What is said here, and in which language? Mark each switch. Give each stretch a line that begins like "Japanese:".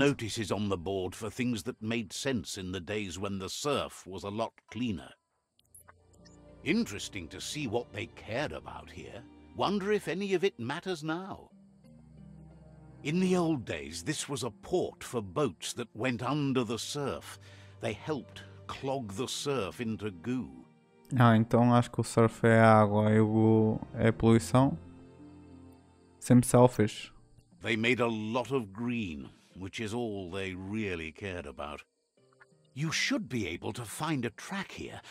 English: Lots of notices on the board for things that made sense in the days when the surf was a lot cleaner. Interesting to see what they cared about here. Wonder if any of it matters now. In the old days, this was a port for boats that went under the surf. They helped clog the surf into goo.
Portuguese: Ah, então acho que o surf é a água e o é a poluição. Sempre selfish.
English: They made a lot of green, which is all they really cared about. You should be able to find a track here.